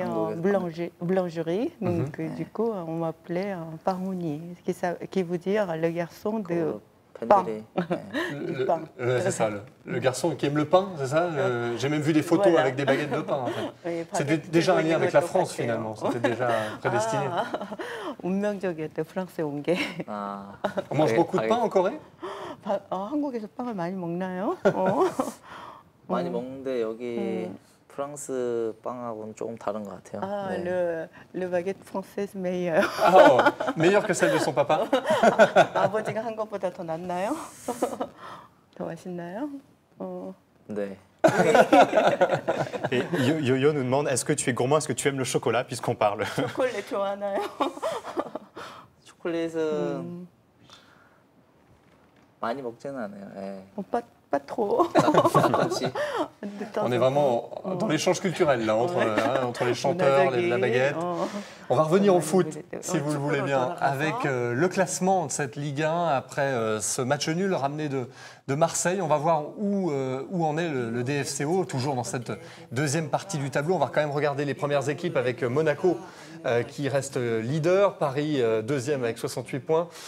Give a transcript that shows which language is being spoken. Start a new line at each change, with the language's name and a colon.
French: une boulangerie, donc mm-hmm. du coup on m'appelait Pangouni, qui veut dire le garçon de pain. C'est ça, le garçon qui aime le pain, c'est ça? J'ai même vu des photos voilà. avec des baguettes de pain. En fait. C'était déjà un lien avec la France finalement, c'était déjà prédestiné. On mange beaucoup de pain en Corée?
Korean: 한국에서 빵을 많이 먹나요? 많이 먹는데 여기 프랑스 빵하고는 조금 다른 것 같아요. 아, 네.
French: le baguette française meilleur. meilleur que celle de son papa?
Korean: 아버지가 한 것보다 더 낫나요? 더 맛있나요? 네.
French: Et Yo-Yo nous demande, est-ce que tu es gourmand, est-ce que tu aimes le chocolat, puisqu'on parle?
Korean: 초콜릿 좋아하나요? 초콜릿은 많이 먹지는 않아요. 예. 오빠
French: pas trop. On est vraiment dans l'échange culturel là, entre, ouais. hein, entre les chanteurs, la baguette. On va revenir au foot, si vous le voulez bien, avec le classement de cette Ligue 1 après ce match nul ramené de Marseille. On va voir où en est le DFCO, toujours dans cette deuxième partie du tableau. On va quand même regarder les premières équipes avec Monaco qui reste leader, Paris deuxième avec 68 points.